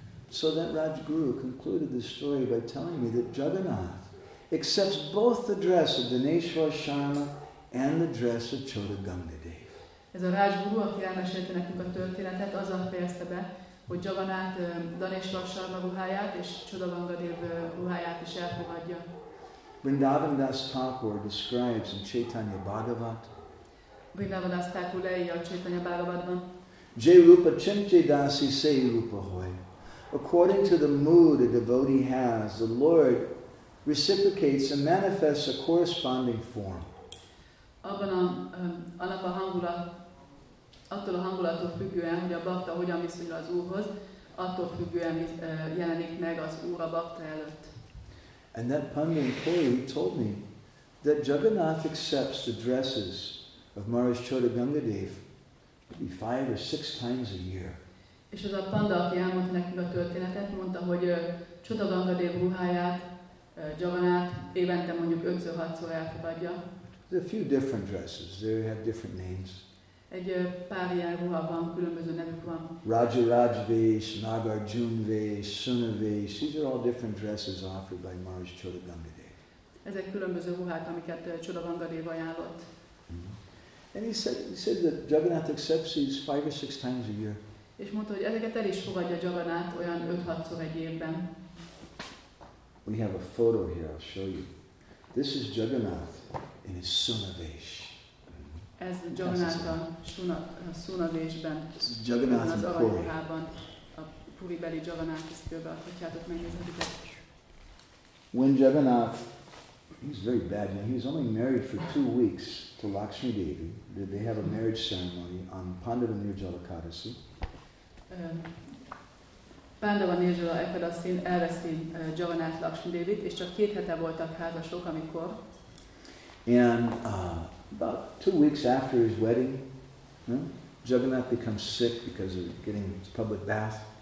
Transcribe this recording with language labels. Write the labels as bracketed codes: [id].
[en] So that Rajguru concluded the story by telling me that Jagannath accepts both the dress of Dhaneshwar Sharma and the dress of Choda Ganga Devi. [hu] Ez a Rajguru, aki elmesélte nekünk a történetet, azzal fejezte be, hogy Jagannath Dhaneshwar Sharma ruháját és Choda Ganga Devi ruháját is elfogadja. [en] Vrindavan Das Thakur describes in Chaitanya Bhagavat. [hu] Vrindavan Das Thakur leírja a Chaitanya Bhagavatban. [bn] Jai Rupa Chimche Dasi Sei Rupa Hoy. [en] According to the mood a devotee has, the Lord reciprocates and manifests a corresponding form. [hu] Abban a annak a hangulat, attól a hangulattól függően, hogy a bhakta hogyan viszonyul az Úrhoz, attól függően jelenik meg az Úr a bhakta előtt. [en] And that Pandit Puri told me that Jagannath accepts the dresses of Maharaj Choda Ganga Dev maybe 5 or 6 times a year. [hu] És az a panda, aki elmondta nekünk a történetet, mondta, hogy Choda Ganga Dev ruháját, Jagannath évente mondjuk 5-6-szor elfogadja. [en] There are a few different dresses. They have different names. [hu] Egy pár ilyen ruha van, különböző nevük van. [en] Raja Rajvesh, Nagarjunvesh, Sunavesh, these are all different dresses offered by Maharaj Choda Ganga Dev. [hu] Ezek különböző ruhák, amiket Choda Ganga Dev ajánlott. [en] And he said that Jagannath accepts these 5 or 6 times a year. [hu] És mondta, hogy ezeket el is fogadja Jagannath olyan 5-6-szor egy évben. [en] We have a photo here, I'll show you. This is Jagannath in his Sunavesh. [hu] Ez Jagannath a Sunavesh-ben. Jagannath az aranyruhában. A puribeli Jagannath is körbe adhatjátok megnézhetitek. [en] When Jagannath, he's very bad now, he's only married for 2 weeks to Lakshmi Devi. They have a marriage ceremony on Pandava Nirjala Ekadasi. [hu] Pandava Nirjala Ekadasin elveszti Jagannath Lakshmi Devit, és csak 2 hete voltak házasok, amikor. [en] And about 2 weeks after his wedding, Jagannath becomes sick because of getting his public bath.